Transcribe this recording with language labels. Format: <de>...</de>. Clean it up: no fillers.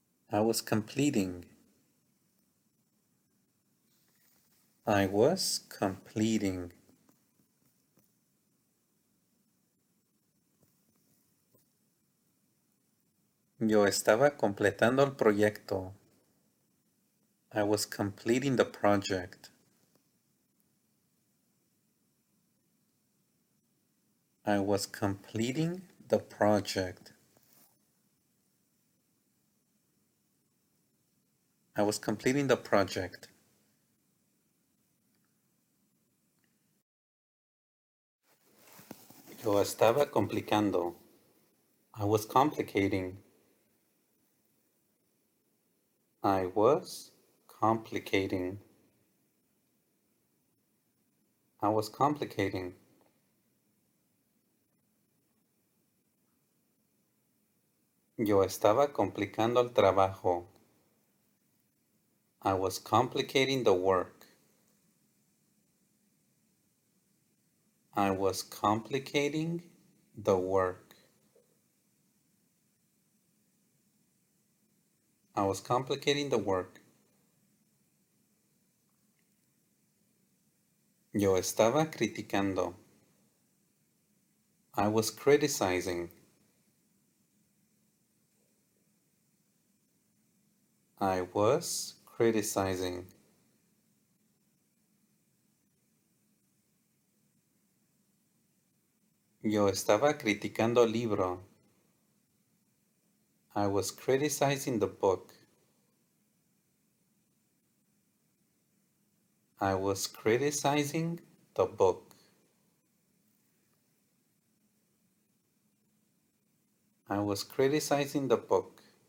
<en>I was completing. I was completing.</en> <es>Yo estaba completando el proyecto.</es> <en>I was completing the project. I was completing the project. I was completing the project.</en> <es>Yo estaba complicando.</es> <en>I was complicating. I was complicating. I was complicating.</en> <es>Yo estaba complicando el trabajo.</es> <en>I was complicating the work. I was complicating the work. I was complicating the work.</en> <es>Yo estaba criticando.</es> <en>I was criticizing. I was criticizing.</en> <es>Yo estaba criticando el libro.</es> <en>I was criticizing the book. I was criticizing the book. I was criticizing the book.</en>